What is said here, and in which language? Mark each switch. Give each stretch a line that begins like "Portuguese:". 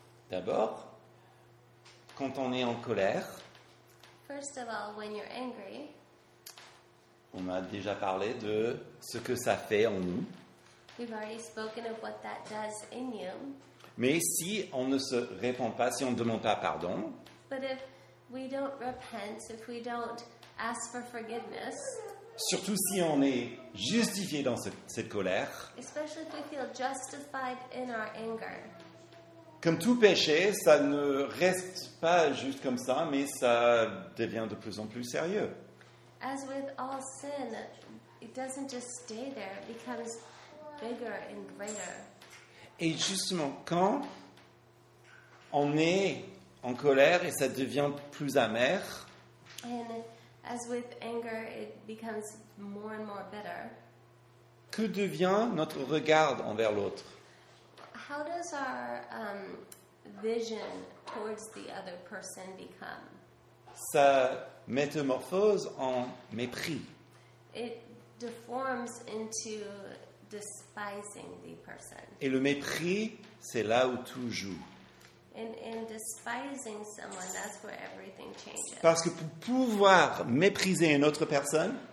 French: D'abord, quand on est en colère,
English: first of all, when you're angry,
French: on a déjà parlé de ce que ça fait en nous.
English: We've already spoken of what that does in you.
French: Mais si on ne se répond pas, si on ne demande pas pardon,
English: but if we don't repent, if we don't ask for forgiveness,
French: surtout si on est justifié dans cette colère,
English: especially if we feel justified in our anger,
French: comme tout péché, ça ne reste pas juste comme ça, mais ça devient de plus en plus sérieux.
English: As with all sin, it doesn't just stay there, it becomes bigger and greater.
French: Et justement, quand on est en colère et ça devient plus amer,
English: and as with anger, it becomes more and more bitter,
French: que devient notre regard envers l'autre?
English: How does our vision towards the other person become?
French: Ça métamorphose en mépris.
English: It deforms into despising the person.
French: Et le mépris, c'est là où tout joue.
English: In despising someone, that's where everything changes.
French: Parce que pour pouvoir mépriser une autre personne,